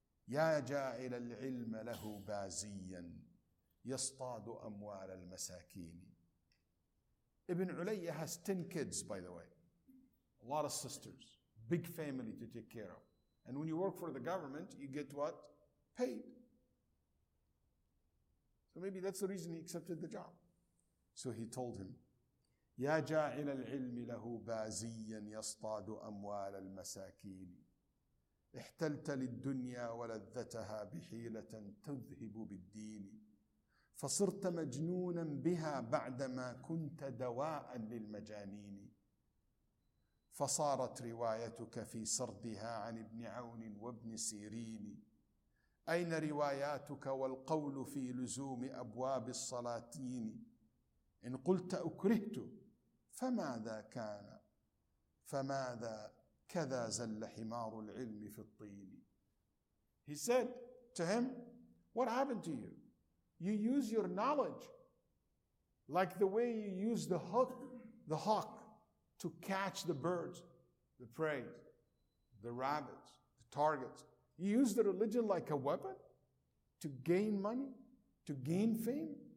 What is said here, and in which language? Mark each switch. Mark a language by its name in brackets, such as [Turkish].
[Arabic] يَا جَاعِلَ الْعِلْمَ لَهُ بَازِيًّا يَصْطَادُ أَمْوَالَ الْمَسَاكِينِ. [English] Ibn Ulayya has 10 kids, by the way. A lot of sisters. Big family to take care of. And when you work for the government, you get what? Paid. So maybe that's the reason he accepted the job. So he told him, [Arabic] يا جاعل العلم له بازيا يصطاد أموال المساكين احتلت للدنيا ولذتها بحيلة تذهب بالدين فصرت مجنونا بها بعدما كنت دواء للمجانين فصارت روايتك في سردها عن ابن عون وابن سيرين أين رواياتك والقول في لزوم أبواب الصلاتين إن قلت أكرهت فماذا كان فماذا كذا زل حمار العلم في الطين. [English] He said to him, what happened to you? You use your knowledge like the way you use the hawk to catch the birds, the prey, the rabbits, the targets. You use the religion like a weapon to gain money, to gain fame.